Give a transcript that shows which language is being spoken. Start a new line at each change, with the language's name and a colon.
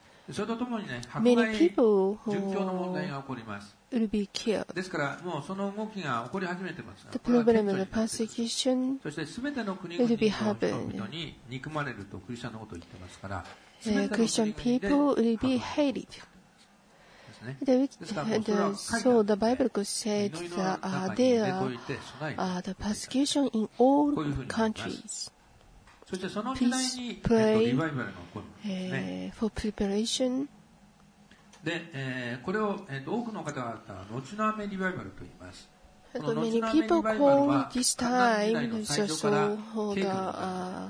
Japanese: それとともにね、迫害、殉教の問題が起こります。ですから、もうその動きが起こり始めてますが、これは顕著になっています。そして、すべての国々の人々に憎まれるとクリスチャンのことを言ってますから、
English: クリスチャン people will be hated.
Japanese: で、
English: so the Bible could say that there are the persecution in all countries.
Japanese: そしてその時代にリバイバルが起こるんですね。
English: For preparation.
Japanese: で、これを、多くの方々は後の雨リバイバルと言います。この後の雨リバイバルは時代の最初から計画の